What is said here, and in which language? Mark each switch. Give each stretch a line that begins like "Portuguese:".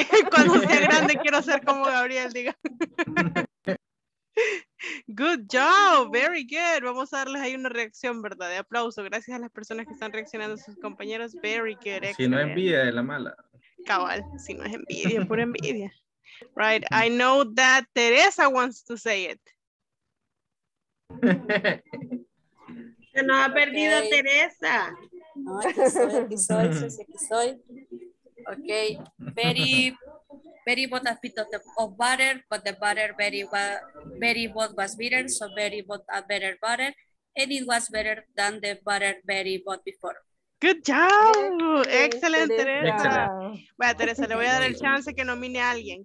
Spanish: Cuando sea grande, quiero ser como Gabriel, diga.
English: Good job, very good.
Spanish: Vamos a darles ahí una reacción, ¿verdad? De aplauso. Gracias a las personas que están reaccionando, sus compañeros.
English: Very good. Excellent.
Spanish: Si no es envidia, es la mala. Cabal, si no es envidia, es pura envidia.
English: Right, I know that Teresa wants to say it.
Spanish: Se nos ha perdido, okay. Teresa. No, aquí soy.
English: Okay, very, very bad a bit of butter, but the butter very bad was bitter, so very bad a better butter, and it was better than the butter very bad before. Good job, excellent, Teresa.
Spanish: Bueno, Teresa, le voy a dar el chance que nomine a alguien.